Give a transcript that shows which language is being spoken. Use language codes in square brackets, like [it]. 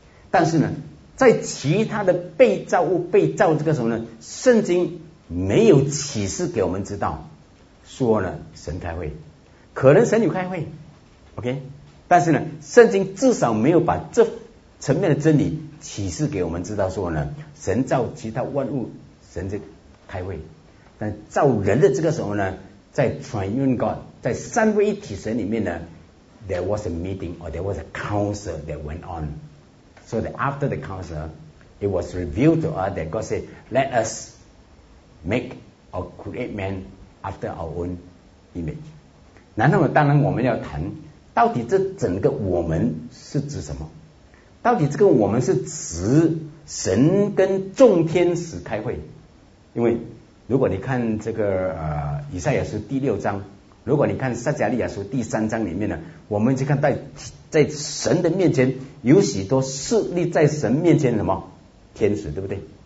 [zh] 但是呢在其他的被造物被造这个时候呢，圣经没有启示给我们知道说呢神开会，可能神有开会 OK， 但是呢圣经至少没有把这层面的真理启示给我们知道说呢神造其他万物神就开会。但造人的这个时候呢，在 [en] Triune God [zh] 在三位一体神里面呢 [en] there was a meeting or there was a council that went on， so that after the council it was revealed to us that God said let us make or create man after our own image。 [zh] 然后当然我们要谈到底这整个我们是指什么，到底这个我们是指神跟众天使开会。因为如果你看这个以赛亚书第六章，如果你看撒迦利亚书第三章里面呢，我们就看到 在神的面前有许多势力在神面前什么天使，对不对？